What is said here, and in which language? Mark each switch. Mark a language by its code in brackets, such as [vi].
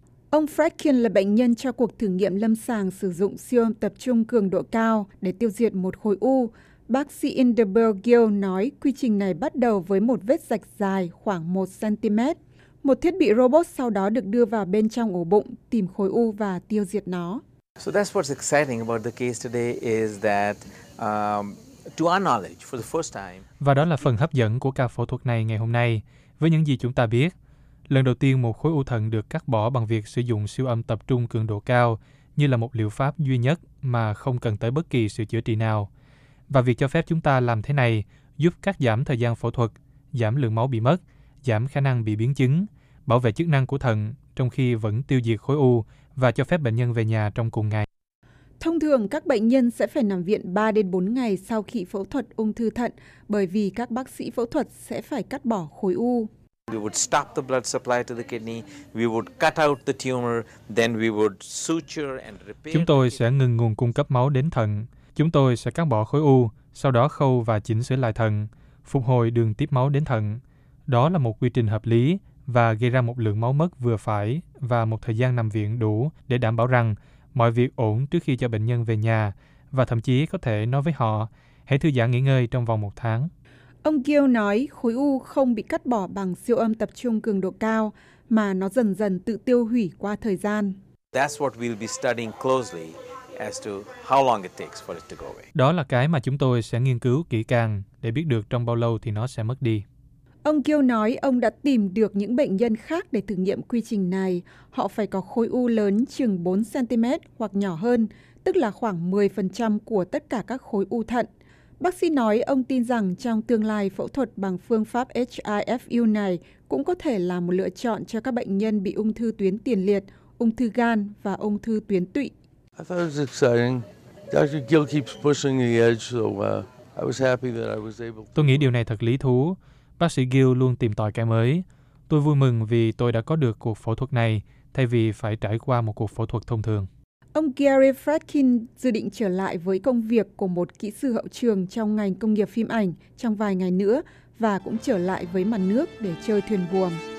[vi] Ông Fredkin là bệnh nhân cho cuộc thử nghiệm lâm sàng sử dụng siêu âm tập trung cường độ cao để tiêu diệt một khối u. Bác sĩ Inderbilt Gill nói quy trình này bắt đầu với một vết rạch dài khoảng 1 cm. Một thiết bị robot sau đó được đưa vào bên trong ổ bụng tìm khối u và tiêu diệt nó. [en] So that's what's exciting about the case today is that to our knowledge for the first time. [vi] Và đó là phần hấp dẫn của ca phẫu thuật này ngày hôm nay. Với những gì chúng ta biết, lần đầu tiên một khối u thận được cắt bỏ bằng việc sử dụng siêu âm tập trung cường độ cao như là một liệu pháp duy nhất mà không cần tới bất kỳ sự chữa trị nào. Và việc cho phép chúng ta làm thế này giúp cắt giảm thời gian phẫu thuật, giảm lượng máu bị mất, giảm khả năng bị biến chứng, bảo vệ chức năng của thận trong khi vẫn tiêu diệt khối u và cho phép bệnh nhân về nhà trong cùng ngày. Thông thường, các bệnh nhân sẽ phải nằm viện 3 đến 4 ngày sau khi phẫu thuật ung thư thận bởi vì các bác sĩ phẫu thuật sẽ phải cắt bỏ khối u. [en] We would stop the blood supply to the kidney, we would cut out the tumor, then we would suture and repair. [vi] Chúng tôi sẽ ngừng nguồn cung cấp máu đến thận, chúng tôi sẽ cắt bỏ khối u, sau đó khâu và chỉnh sửa lại thận, phục hồi đường tiếp máu đến thận. Đó là một quy trình hợp lý và gây ra một lượng máu mất vừa phải và một thời gian nằm viện đủ để đảm bảo rằng mọi việc ổn trước khi cho bệnh nhân về nhà và thậm chí có thể nói với họ hãy thư giãn nghỉ ngơi trong vòng một tháng. Ông Gill nói khối u không bị cắt bỏ bằng siêu âm tập trung cường độ cao mà nó dần dần tự tiêu hủy qua thời gian. [en] That's what we'll be studying closely as to how long it takes for it to go away. [vi] Đó là cái mà chúng tôi sẽ nghiên cứu kỹ càng để biết được trong bao lâu thì nó sẽ mất đi. Ông Gill nói ông đã tìm được những bệnh nhân khác để thử nghiệm quy trình này. Họ phải có khối u lớn chừng 4 cm hoặc nhỏ hơn, tức là khoảng 10% của tất cả các khối u thận. Bác sĩ nói ông tin rằng trong tương lai phẫu thuật bằng phương pháp HIFU này cũng có thể là một lựa chọn cho các bệnh nhân bị ung thư tuyến tiền liệt, ung thư gan và ung thư tuyến tụy. [en] I thought it was exciting. Dr. Gill keeps pushing the edge, so I was happy that I was able to. [vi] Tôi nghĩ điều này thật lý thú. Bác sĩ Gill luôn tìm tòi cái mới. Tôi vui mừng vì tôi đã có được cuộc phẫu thuật này thay vì phải trải qua một cuộc phẫu thuật thông thường. Ông Gary Fredkin dự định trở lại với công việc của một kỹ sư hậu trường trong ngành công nghiệp phim ảnh trong vài ngày nữa và cũng trở lại với mặt nước để chơi thuyền buồm.